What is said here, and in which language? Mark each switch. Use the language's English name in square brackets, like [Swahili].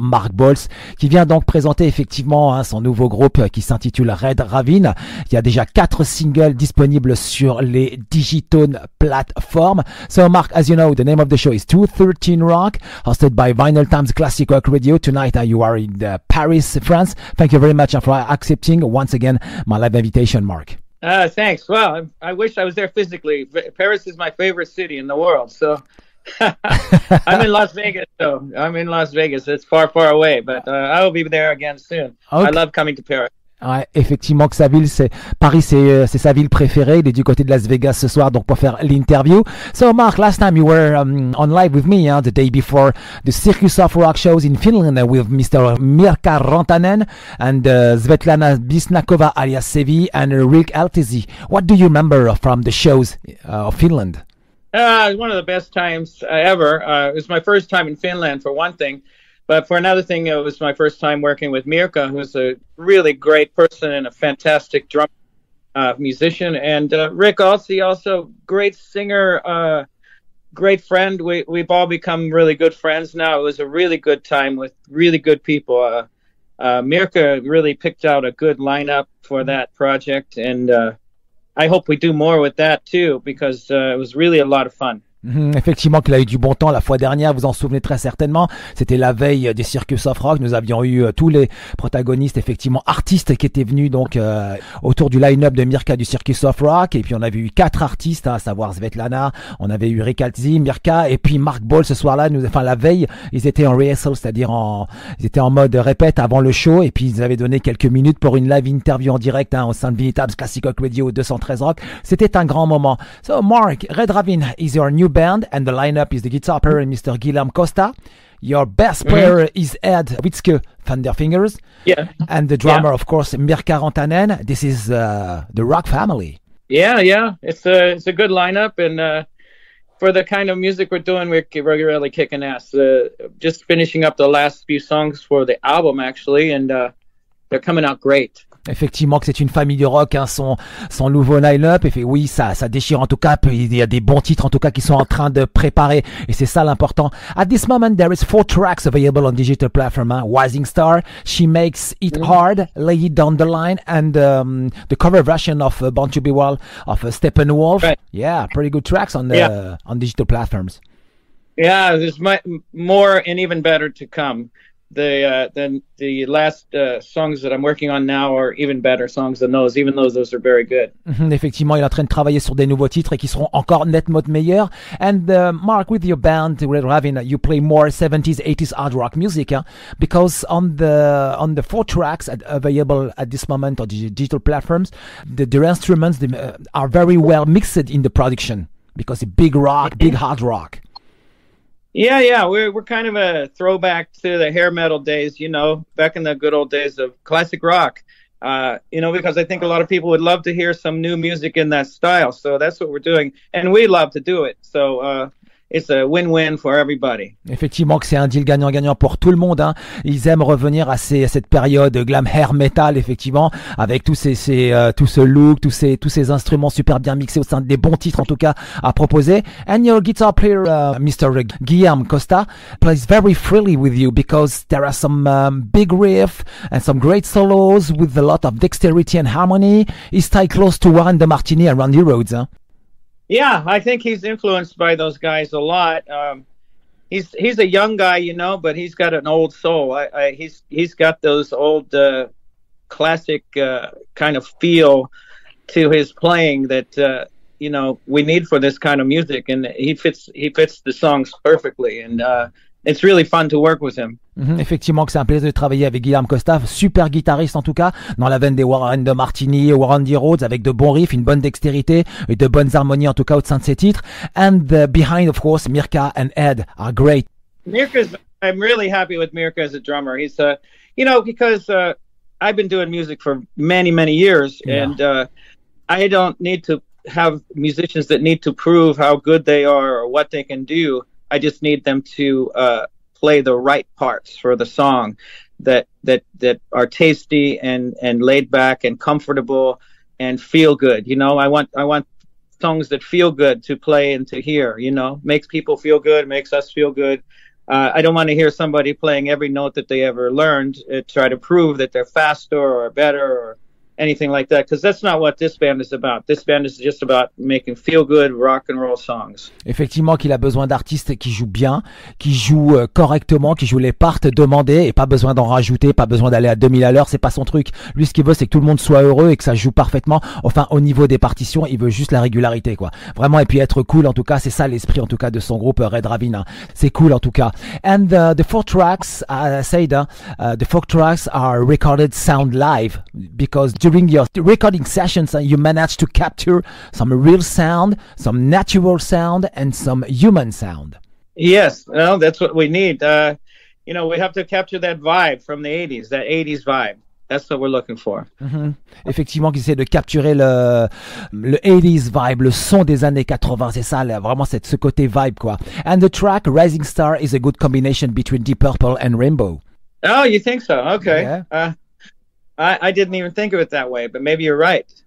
[French] Mark Boals, qui vient donc présenter effectivement hein, son nouveau groupe qui s'intitule Red Ravyn. Il y a déjà 4 singles disponibles sur les Digitone plateformes. [English] So, Mark, as you know, the name of the show is 213 Rock, hosted by Vinyl Times Classic Rock Radio. Tonight, you are in Paris, France. Thank you very much for accepting once again my live invitation, Mark. Thanks. Well, I wish I was there physically. Paris is my favorite city in the world, so... I'm in Las Vegas. It's far, far away, but I will be there again soon. Okay. I love coming to Paris. [French] Ouais, effectivement, que sa ville, c'est Paris, c'est sa ville préférée. Il est du côté de Las Vegas ce soir, donc pour faire l'interview. [English] So, Mark, last time you were on live with me, the day before the Circus of Rock shows in Finland with Mr. Mirka Rantanen and Svetlana Bisnakova alias Sevi and Rick Altesi. What do you remember from the shows of Finland? One of the best times ever. It was my first time in Finland, for one thing. But for another thing, it was my first time working with Mirka, who's a really great person and a fantastic drum musician. And Rick Altesi, also great singer, great friend. We've all become really good friends now. It was a really good time with really good people. Mirka really picked out a good lineup for that project, and I hope we do more with that too, because it was really a lot of fun. [French] Effectivement qu'il a eu du bon temps la fois dernière, vous en souvenez très certainement, c'était la veille des Circus of Rock, nous avions eu tous les protagonistes, effectivement artistes qui étaient venus donc autour du line-up de Mirka du Circus of Rock, et puis on avait eu quatre artistes, à savoir Svetlana, on avait eu Rick Altzi, Mirka et puis Mark Ball ce soir-là, enfin la veille, ils étaient en rehearsal, c'est-à-dire ils étaient en mode répète avant le show, et puis ils avaient donné quelques minutes pour une live interview en direct au sein de Vinylestimes Classic Rock Radio 213 Rock, c'était un grand moment. [English] So Mark, Red Ravyn is your new band, and the lineup is the guitar player Mr. Guillaume Costa. Your bass player is Ed Witzke Thunderfingers. Yeah. And the drummer, of course, Mirka Rantanen. This is the rock family. Yeah. It's a good lineup, and for the kind of music we're doing, we're really kicking ass. Just finishing up the last few songs for the album, actually, and they're coming out great. [French] Effectivement que c'est une famille de rock, hein, son nouveau line-up. Et fait, oui, ça déchire en tout cas. Il y a des bons titres en tout cas qui sont en train de préparer. Et c'est ça l'important. [English] At this moment, there is four tracks available on digital platform. Hein. Rising Star, She Makes It Hard, Lay It Down the Line, and the cover version of Born to Be Wild of Steppenwolf. Right. Yeah, pretty good tracks on on digital platforms. Yeah, there's more and even better to come. The last songs that I'm working on now are even better songs than those, even though those are very good. [French] Effectivement, il est en train de travailler sur des nouveaux titres et qui seront encore nettement meilleurs. [English] And Mark, with your band Red Ravyn, you play more 70s, 80s hard rock music, huh? Because on the four tracks available at this moment on the digital platforms, their instruments are very well mixed in the production, because it's big rock, big hard rock. Yeah, we're kind of a throwback to the hair metal days, you know, back in the good old days of classic rock, you know, because I think a lot of people would love to hear some new music in that style. So that's what we're doing. And we love to do it. So it's a win-win for everybody. [French] Effectivement que c'est un deal gagnant-gagnant pour tout le monde. Hein. Ils aiment revenir à cette période glam hair metal, effectivement, avec tous ces instruments super bien mixés au sein des bons titres, en tout cas, à proposer. [English] And your guitar player, Mr. Guillaume Costa, plays very freely with you because there are some big riffs and some great solos with a lot of dexterity and harmony. He's tied close to Warren DeMartini and Randy Rhoads. Hein. Yeah, I think he's influenced by those guys a lot. He's a young guy, you know, but he's got an old soul. He's got those old classic kind of feel to his playing that you know, we need for this kind of music, and he fits the songs perfectly, and it's really fun to work with him. [French] Effectivement que c'est un plaisir de travailler avec Guillaume Costa, super guitariste en tout cas, dans la veine des Warren DeMartini, Warren D. Rhoads, avec de bons riffs, une bonne dextérité et de bonnes harmonies en tout cas au sein de ses titres. [English] And behind, of course, Mirka and Ed are great. I'm really happy with Mirka as a drummer. He's, you know, because I've been doing music for many, many years, and I don't need to have musicians that need to prove how good they are or what they can do. I just need them to play the right parts for the song that are tasty and laid back and comfortable and feel good. You know, I want songs that feel good to play and to hear, you know, makes people feel good, makes us feel good. I don't want to hear somebody playing every note that they ever learned, try to prove that they're faster or better or anything like that, because that's not what this band is about. This band is just about making feel good rock and roll songs. [French] Effectivement qu'il a besoin d'artistes qui jouent bien, qui jouent correctement, qui jouent les parts demandées, et pas besoin d'en rajouter, pas besoin d'aller à 2000 à l'heure, c'est pas son truc. Lui, ce qu'il veut, c'est que tout le monde soit heureux et que ça joue parfaitement. Enfin, au niveau des partitions, il veut juste la régularité, quoi. Vraiment, et puis être cool, en tout cas, c'est ça l'esprit, en tout cas, de son groupe Red Ravyn. Hein. C'est cool, en tout cas. [English] And the four tracks, the four tracks are recorded sound live, because during your recording sessions, you managed to capture some real sound, some natural sound, and some human sound. Yes, well, that's what we need. You know, we have to capture that vibe from the 80s, that 80s vibe. That's what we're looking for. [French] Effectivement, qu'ils essaient de capturer le 80s vibe, le son des années 80. C'est ça, vraiment ce côté vibe, quoi. [English] And the track Rising Star is a good combination between Deep Purple and Rainbow. Oh, you think so? Okay. Yeah. I didn't even think of it that way, but maybe you're right.